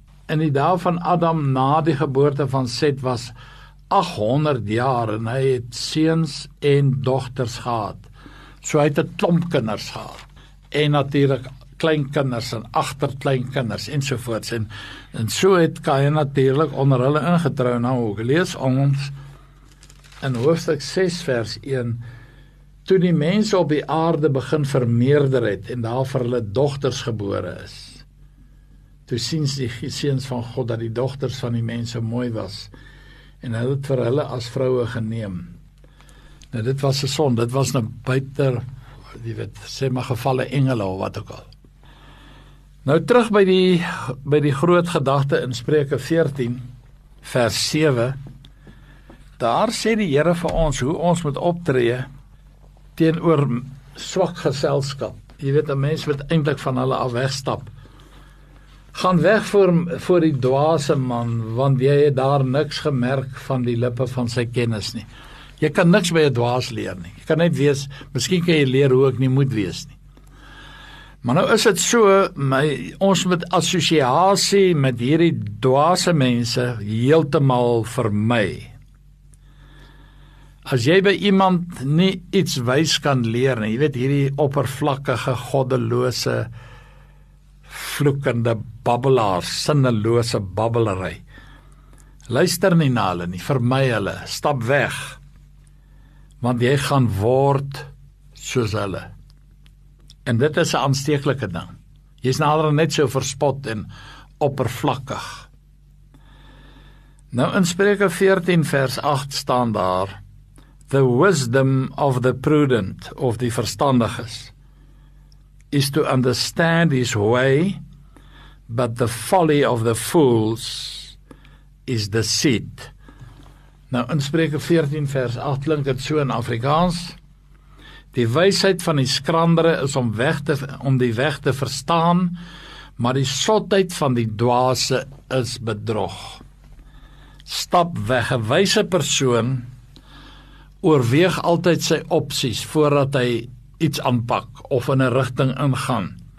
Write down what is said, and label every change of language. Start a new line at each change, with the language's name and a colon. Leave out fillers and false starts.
Afrikaans: In die dag van Adam na die geboorte van Seth was 800 jaar en hy het seuns en dogters gehad. So hy het een klomp kinders gehad. En natuurlijk kleinkinders en achterkleinkinders ensovoorts. En so het Kain natuurlijk onder hulle ingetrou. Nou ook lees ons in hoofdstuk 6 vers 1. Toe die mense op die aarde begin vermeerder het en daar vir hulle dogters gebore is. Toe sien die seuns van God dat die dogters van die mense mooi was en hulle het vir hulle as vroue geneem. Nou dit was 'n son, dit was nou buiter, die weet, sê maar gevalle engele of wat ook al. Nou terug by die groot gedagte in Spreuke 14 vers 7. Daar sê die Here vir ons hoe ons moet optree teenoor swak geselskap. Jy weet, 'n mens moet eintlik van hulle af wegstap. Gaan weg voor die dwaase man, want jy het daar niks gemerk van die lippe van sy kennis nie. Jy kan niks by die dwaas leer nie. Jy kan net wees, miskien kan jy leer hoe ek nie moet wees nie. Maar nou is het so, ons met associatie met hierdie dwaase mense heeltemal vermy. As jy by iemand nie iets wys kan leer nie, jy weet hierdie oppervlakkige, goddelose, vloekende babbelaars, sinnelose babbelerij. Luister nie na hulle nie, vermy hulle, stap weg, want jy gaan word soos hulle. En dit is 'n aansteeklike ding. Jy is nader net so verspot en oppervlakkig. Nou in Spreuke 14 vers 8 staan daar,
English: the wisdom of the prudent,
Afrikaans: of die verstandiges,
English: is to understand his way, but the folly of the fools is deceit.
Afrikaans: Nou, in Spreuke 14 vers 8 klink het so in Afrikaans, Die wysheid van die skrandere is om die weg te verstaan, maar die sotheid van die dwaase is bedrog. Stap weg, 'n wyse persoon oorweeg altyd sy opsies voordat hy iets aanpak of in 'n rigting ingaan.